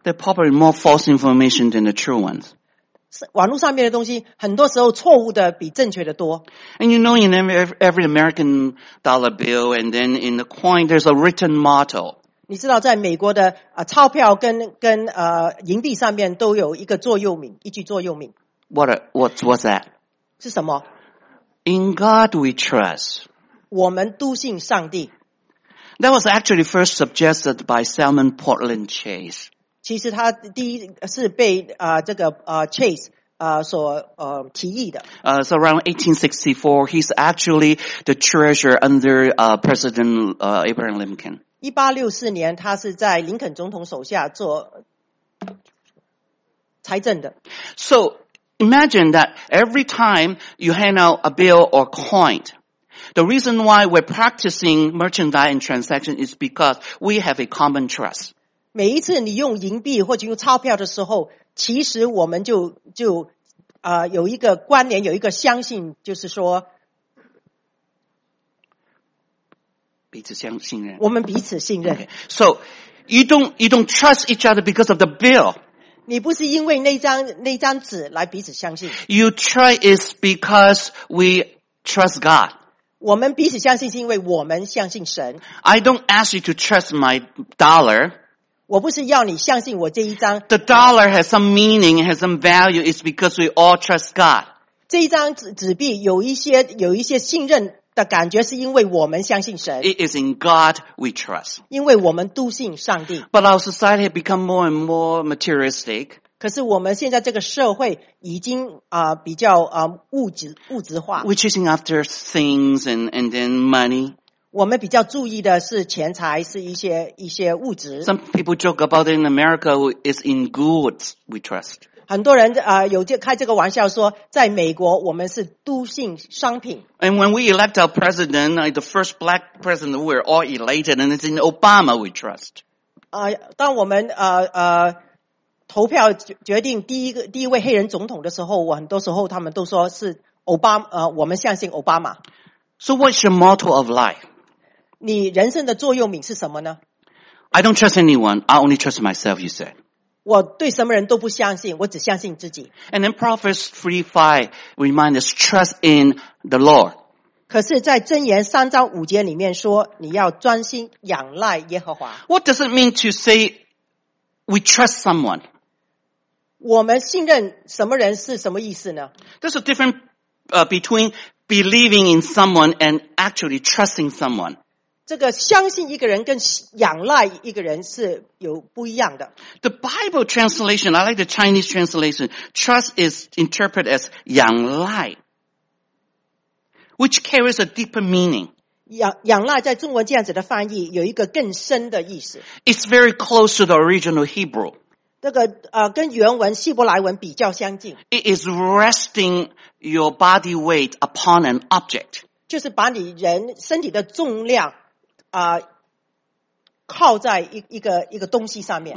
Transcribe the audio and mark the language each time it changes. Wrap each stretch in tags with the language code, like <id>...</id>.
<en>There's probably more false information than the true ones.</en> <zh>网络上面的东西很多时候错误的比正确的多。</zh> <en>And you know in every American dollar bill and then in the coin there's a written motto.</en> <zh>你知道在美国的钞票跟银币上面都有一个座右铭，一句座右铭。</zh> <en>What's that?</en> <zh>是什么？</zh> <en>In God we trust.</en> <zh>我们笃信上帝。</zh> <en>That was actually first suggested by Salmon Portland Chase.</en> <zh>其实他第一是被这个Chase 所提议的。</zh> <en>So around 1864, he's actually the treasurer under President Abraham Lincoln.</en> <zh>1864年他是在林肯总统手下做财政的。</zh> <en>So imagine that every time you hand out a bill or coin,The reason why we're practicing merchandise and transaction is because we have a common trust.</en> <zh>每一次你用银币或者用钞票的时候，其实我们就有一个关联，有一个相信，就是说彼此相信任。我们彼此信任。</zh> <en>Okay. So you don't trust each other because of the bill.</en> <zh>你不是因为那张纸来彼此相信。</zh> <en>You try is because we trust God.</en> <zh>我们彼此相信是因为我们相信神。</zh> <en>I don't ask you to trust my dollar.</en> <zh>我不是要你相信我这一张。</zh> <en>The dollar has some meaning, has some value, it's because we all trust God.</en> <zh>这一张纸币有一些信任的感觉是因为我们相信神。</zh> <en>It is in God we trust.</en> <zh>因为我们笃信上帝。</zh> <en>But our society has become more and more materialistic.</en> <zh>可是我们现在这个社会已经比较物质化</zh> <en>，which is after things and then money。</en> <zh>我们比较注意的是钱财，是一些物质。</zh> <en>Some people joke about it in America is in goods we trust。</en> <zh>很多人有开这个玩笑说，在美国我们是笃信商品。</zh> <en>And when we elect our president, the first black president, we're all elated, and it's in Obama we trust。</en> <zh>当我们投票决定第一位黑人总统的时候，我很多时候他们都说是奥巴马，我们相信奥巴马。</zh> <en>So what's your motto of life?</en> <zh>你人生的座右铭是什么呢</zh> <en>？I don't trust anyone. I only trust myself. You said.</en> <zh>我对什么人都不相信，我只相信自己。</zh> <en>And then Proverbs 3:5 remind us trust in the Lord.</en> <zh>可是，在箴言3:5里面说，你要专心仰赖耶和华。</zh> <en>What does it mean to say? We trust someone.</en> <zh>我们信任什么人是什么意思呢</zh> <en>？There's a difference between believing in someone and actually trusting someone.</en> <zh>这个相信一个人跟仰赖一个人是有不一样的。</zh> <en>The Bible translation, I like the Chinese translation. Trust is interpreted as 仰赖 which carries a deeper meaning.</en> <zh>仰赖在中文这样子的翻译有一个更深的意思。</zh> <en>It's very close to the original Hebrew.</en> <zh>这个跟原文希伯来文比较相近。</zh> <en>It is resting your body weight upon an object.</en> <zh>就是把你人身体的重量靠在一个东西上面。</zh>